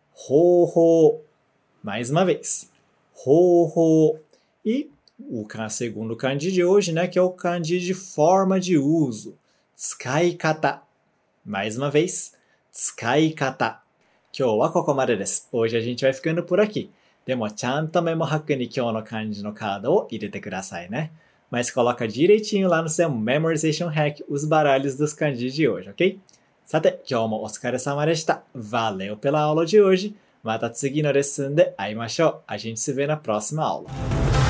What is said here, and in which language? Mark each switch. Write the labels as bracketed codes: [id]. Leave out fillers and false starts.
[pt] Ho-ho, mais uma vez. Ho-ho. E o segundo kanji de hoje, né, que é o kanji de forma de uso. Tsukaikata, mais uma vez. Tsukaikata. [ja] Kyou wa kokomare desu. [pt] Hoje a gente vai ficando por aqui. [ja] でもちゃんとメモ箔に今日の漢字のカードを入れてくださいね。 [pt] Mas coloca direitinho lá no seu memorization hack os baralhos dos kanjis de hoje, ok? [ja] さて、今日もお疲れ様でした。 [pt] Valeu pela aula de hoje. [ja] また次のレッスンで会いましょう。 [pt] A gente se vê na próxima aula.